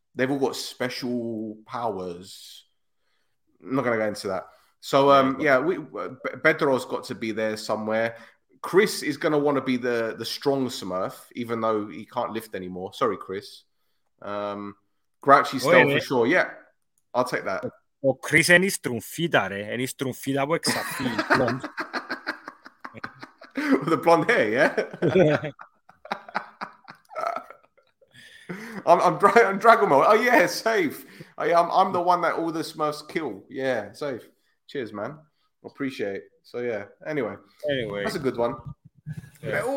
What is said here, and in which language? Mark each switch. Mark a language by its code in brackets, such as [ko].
[en] They've all got special powers. I'm not going to go into that. So, Bedro's got to be there somewhere. Chris is going to want to be the strong Smurf, even though he can't lift anymore. Sorry, Chris. Grouchy Stealth for sure. Yeah, I'll take that. [el] Ο Κρίς είναι η στρουμφίδα, ρε. Είναι η στρουμφίδα που εξαφεί. [en] With the blonde hair, yeah? I'm Dragomo. Oh, yeah, safe. I'm the one that all the Smurfs kill. Yeah, safe. Cheers, man. Appreciate. So, yeah. Anyway. That's a good one. Yeah.